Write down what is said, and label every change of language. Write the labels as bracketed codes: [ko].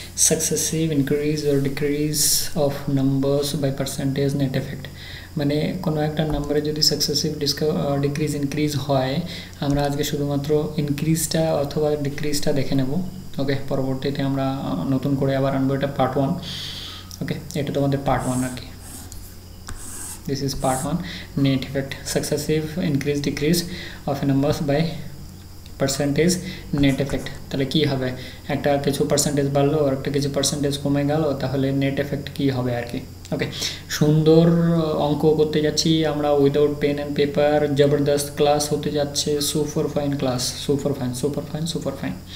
[en] successive increase or decrease of numbers by percentage net effect, [bn] মানে কোনো একটা নাম্বারে যদি সাকসেসিভ ডিক্রিজ ইনক্রিজ হয়, আমরা আজকে শুধুমাত্র ইনক্রিজটা অথবা ডিক্রিজটা দেখে নেব। ওকে, পরবর্তীতে আমরা নতুন করে আবার আনবো এটা পার্ট ওয়ান। ওকে, এটা তোমাদের পার্ট ওয়ান আর কি। [en] This is part 1, net effect, successive increase decrease of numbers by percentage net effect. [bn] তাহলে কি হবে, একটা কিছু পার্সেন্টেজ বাড়লো আর একটা কিছু পার্সেন্টেজ কমে গেল, তাহলে নেট এফেক্ট কি হবে আর কি। ওকে, সুন্দর অঙ্ক করতে যাচ্ছি আমরা [en] without pen and paper, [bn] জবরদস্ত ক্লাস হতে যাচ্ছে, super fine class, super fine, super fine, super fine.